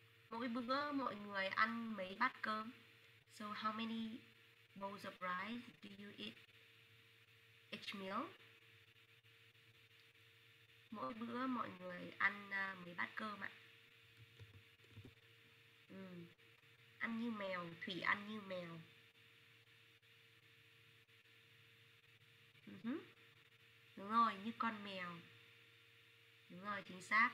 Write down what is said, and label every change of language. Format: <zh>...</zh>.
<vi>Mỗi bữa mọi người ăn mấy bát cơm?</vi> <en>So how many bowls of rice do you eat each meal?</en> <vi>Mỗi bữa mọi người ăn mấy bát cơm ạ? Ăn như mèo, Thủy ăn như mèo. Đúng rồi, như con mèo. Đúng rồi, chính xác.</vi>